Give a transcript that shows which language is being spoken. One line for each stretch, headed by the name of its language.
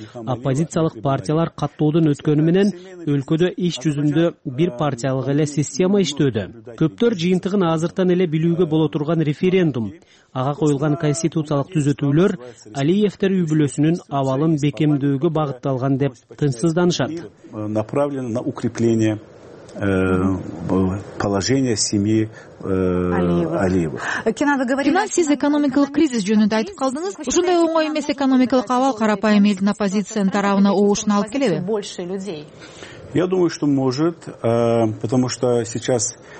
Kyrgyz: Оппозициялык партиялар каттоодон өткөнү менен өлкөдө иш жүзүндө бир партиялык эле система иштөөдө. Көптөр жыйынтыгын азыртан эле билүүгө боло турган референдум, ага коюлган конституциялык түзөтүүлөр Алиевдер үй-бүлөсүнүн абалын бекемдөөгө багытталган деп тынчсызданышат.
Russian: Направлено на укрепление положение семьи Алиева.
Kyrgyz: Жана сиз экономикалык кризис жөнүндө айтып калдыңыз. Ушундай оңой эмес экономикалык абал карапайым элдин оппозициянын тарабына оошуна алып келеби?
Russian: Я думаю, что может, потому что сейчас